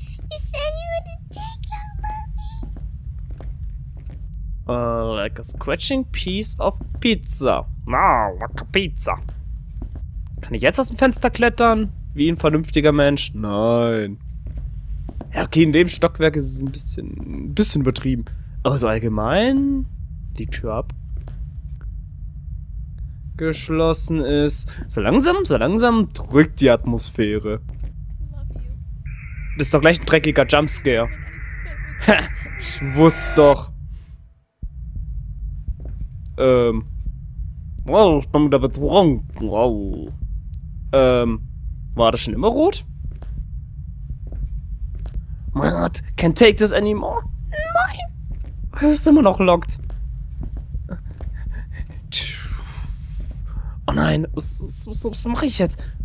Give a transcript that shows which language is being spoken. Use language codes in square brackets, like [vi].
[en] You said you would take out Mami. Like a scratching piece of pizza. Na, like a pizza. [de] Kann ich jetzt aus dem Fenster klettern? Wie ein vernünftiger Mensch? Nein. Ja, okay, in dem Stockwerk ist es ein bisschen übertrieben. Aber so allgemein? Die Tür ab. Geschlossen ist. So langsam drückt die Atmosphäre. Das ist doch gleich ein dreckiger Jumpscare. Ich wusste doch. Ich bin wieder betrunken. Wow. War das schon immer rot? [en] My heart can't take this anymore. [de] Nein. Es ist immer noch locked. Oh nein, was mache ich jetzt?